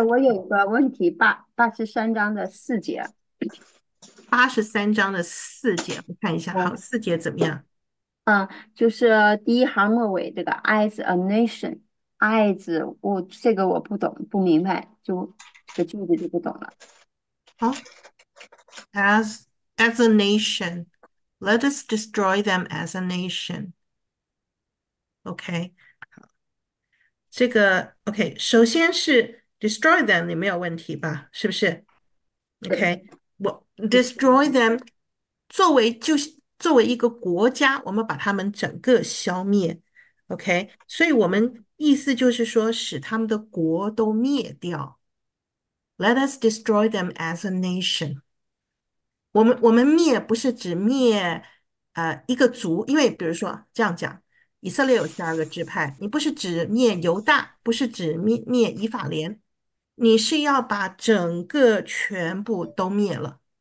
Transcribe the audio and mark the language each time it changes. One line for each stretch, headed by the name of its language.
Chinese: 我有个问题，83章的四节。 83章的四节，我看一下，好，四节怎么样？就是第一行末尾这个
English: as a nation，
Chinese: 爱字，我这个我不懂，不明白，就这个句子就不懂了。
English: As a nation, let us destroy them as a nation.
Chinese: OK，这个 OK，首先是 destroy them，你没有问题吧？是不是？OK。
English: Destroy them，
Chinese: 作为一个国家，我们把他们整个消灭。 OK，所以我们意思就是说，使他们的国都灭掉。
English: Let us destroy them as a nation。
Chinese: 我们灭不是指灭一个族，因为比如说这样讲，以色列有12个支派，你不是指灭犹大，不是指灭以法莲，你是要把整个全部都灭了。